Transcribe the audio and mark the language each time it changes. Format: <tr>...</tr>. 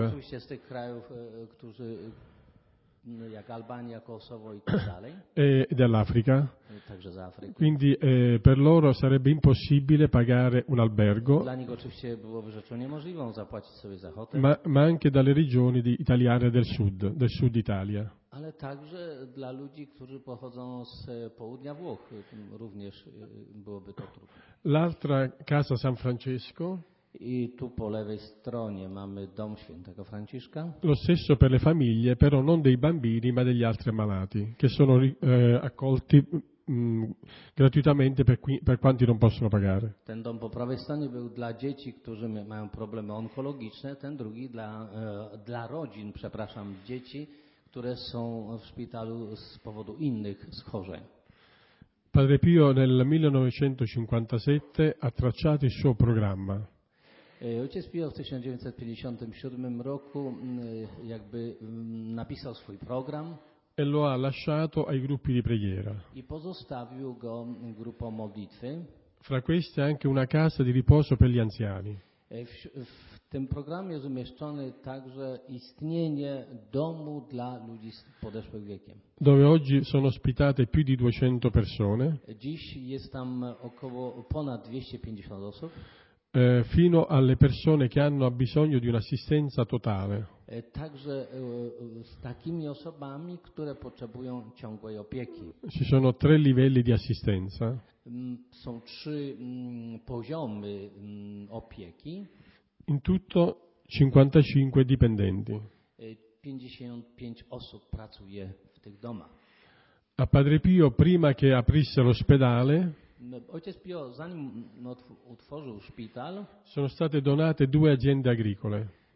<pl>No, oczywiście z tych krajów, którzy jak Albania, Kosovo i tak dalej.</pl> <it>E dall'Africa.</it> <pl>Także z Afryki.</pl> <it>Quindi per loro sarebbe impossibile pagare un albergo.</it> <pl>Dla nich oczywiście byłoby rzeczą niemożliwą zapłacić sobie za hotel.</pl> <it>Ma anche dalle regioni italiane del sud Italia.</it> <pl>Ale także dla ludzi, którzy pochodzą z południa Włoch, również byłoby to trudne.</pl> <it>L'altra casa San Francesco.</it> <pl>I tu po lewej stronie mamy dom świętego Franciszka.</pl> <it>Lo stesso per le famiglie, però non dei bambini, ma degli altri malati, che sono accolti gratuitamente per quanti non possono pagare.</it> <pl>Ten dom po prawej stronie był dla dzieci, którzy mają problemy onkologiczne, ten drugi dla rodzin, przepraszam, dzieci, które są w szpitalu z powodu innych schorzeń.</pl> <it>Padre Pio nel 1957 ha tracciato il suo programma.</it> <pl>Ojciec Pio w 1957 roku jakby napisał swój program.</pl> <it>E lo ha lasciato ai gruppi di preghiera.</it> <pl>I pozostawił go gruppo modlitwy.</pl> <it>Fra queste anche una casa di riposo per gli anziani.</it> <pl>W tym programie jest umieszczone także istnienie domu dla ludzi z podeszłym wiekiem.</pl> <it>Dove oggi sono ospitate più di 200 persone.</it> <pl>Dziś jest tam około ponad 250 osób.</pl> <it>Fino alle persone che hanno bisogno di un'assistenza totale.</it> <pl>Także z takimi osobami, które potrzebują ciągłej opieki.</pl> <it>Ci sono tre livelli di assistenza.</it> <pl>Są trzy poziomy opieki.</pl> <it>In tutto 55 dipendenti.</it> <pl>55 osób pracuje w tych domach.</pl> <it>A Padre Pio, prima che aprisse l'ospedale,</it> <pl>ojciec Pio, zanim utworzył szpital,</pl> <it>sono state donate due aziende agricole.</it>